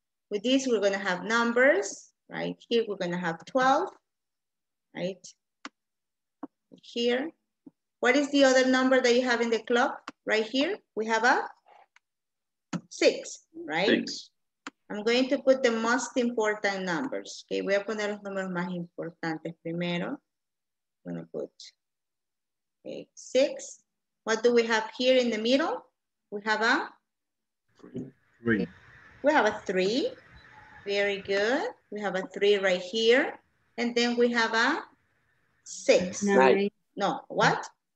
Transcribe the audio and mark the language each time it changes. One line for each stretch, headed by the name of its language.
English: With this, we're gonna have numbers, right? Here, we're gonna have 12, right? Here. What is the other number that you have in the clock? Right here, we have a 6, right? Six. I'm going to put the most important numbers.
Spanish: Okay, voy a poner los números más importantes primero.
English: I'm gonna put, okay, 6. What do we have here in the middle? We have a? 3. We have a 3, very good. We have a 3 right here. And then we have a 6. Nine. No, what?